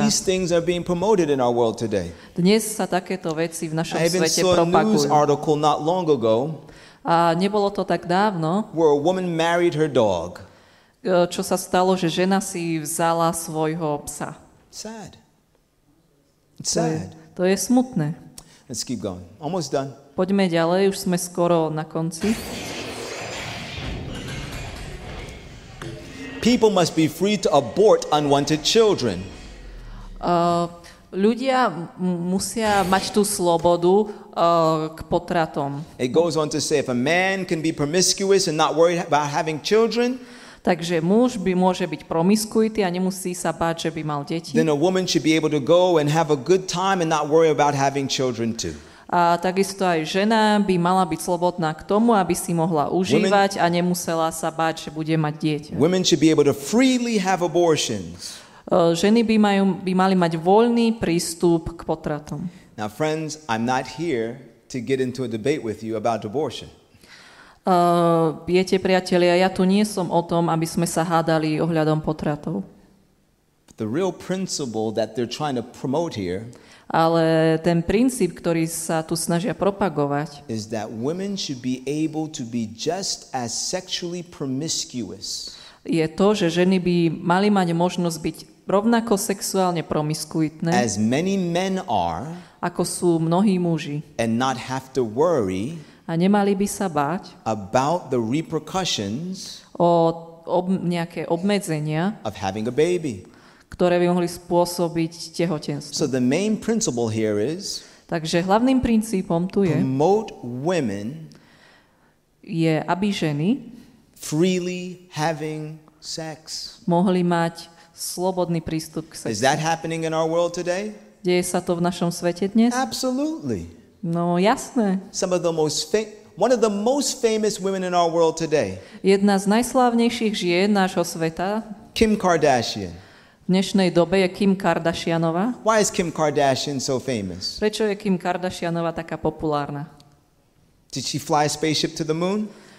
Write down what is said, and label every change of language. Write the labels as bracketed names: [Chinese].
[English] These things are being promoted in our world today. [Slovak] Dnes sa takéto veci v našom svete propagujú. [English] I even saw a news article not long ago. [Slovak] A nebolo to tak dávno, [English] where a woman married her dog. [Slovak] Čo sa stalo, že žena si vzala svojho psa. [English] Sad. It's sad. [Slovak] To je smutné. [English] Let's keep going. Almost done. [Slovak] Poďme ďalej, už sme skoro na konci. [English] People must be free to abort unwanted children. [Slovak] Ľudia musia mať tú slobodu k potratom. [English] It goes on to say if a man can be promiscuous and not worried about having children, [Slovak] takže muž by môže byť promiskuitý a nemusí sa báť, že by mal deti. [English] Then a woman should be able to go and have a good time and not worry about having children too. [Slovak] A takisto aj žena by mala byť slobodná k tomu, aby si mohla užívať a nemusela sa báť, že bude mať dieťa. [English] Women should be able to freely have abortions. [Slovak] Ženy by mali mať voľný prístup k potratom. [English] Now friends, I'm not here to get into a debate with you about abortion. [Slovak] Viete, priatelia, ja tu nie som o tom, aby sme sa hádali ohľadom potratov. [English] The real principle that they're trying to promote here, [Slovak] ale ten princíp, ktorý sa tu snažia propagovať, [English] is that women should be able to be just as sexually promiscuous. [Slovak] Je to, že ženy by mali mať možnosť byť rovnako sexuálne promiskuitné, [English] as many men are, [Slovak] ako sú mnohí muži, [English] and not have to worry, [Slovak] a nemali by sa báť [English] about the repercussions, [Slovak] nejaké obmedzenia [English] of having a baby, [Slovak] ktoré by mohli spôsobiť tehotenstvo. [English] So the main principle here is, [Slovak] takže hlavným princípom tu je, [English] promote women, [Slovak] je, aby ženy [English] freely having sex. [Slovak] Mohli mať slobodný prístup k sexu. [English] Is that happening in our world today? [Slovak] Deje sa to v našom svete dnes? [English] Absolutely. [Slovak] No, jasné. [English] Some of the most one of the most famous women in our world today. [Slovak] Jedna z najslávnejších žien nášho sveta. [English] Kim Kardashian. [Slovak] V dnešnej dobe je Kim Kardashianová. [English] Why is Kim Kardashian so famous? [Slovak] Prečo je Kim Kardashianová taká populárna? [English] Did she fly a spaceship to the moon?